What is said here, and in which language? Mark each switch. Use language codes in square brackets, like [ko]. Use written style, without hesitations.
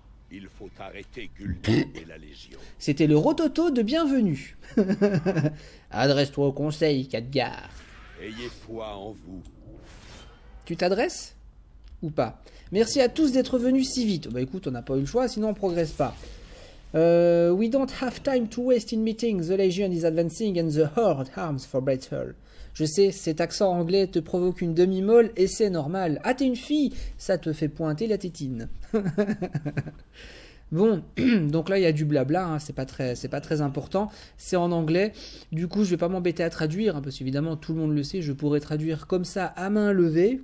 [fr] Il faut arrêter Guldur et la Légion. C'était le rototo de bienvenue. Adresse-toi au conseil, Khadgar. Ayez foi en vous. Tu t'adresses? Ou pas? Merci à tous d'être venus si vite. Bah écoute, on n'a pas eu le choix, sinon on progresse pas. [en] We don't have time to waste in meetings. The Legion is advancing and the Horde arms for battle. [fr] Je sais, cet accent anglais te provoque une demi-molle et c'est normal. Ah, t'es une fille, ça te fait pointer la tétine. Bon, donc là, il y a du blabla, hein. c'est pas très important. C'est en anglais, du coup, je vais pas m'embêter à traduire, hein, parce qu'évidemment, tout le monde le sait, je pourrais traduire comme ça, à main levée.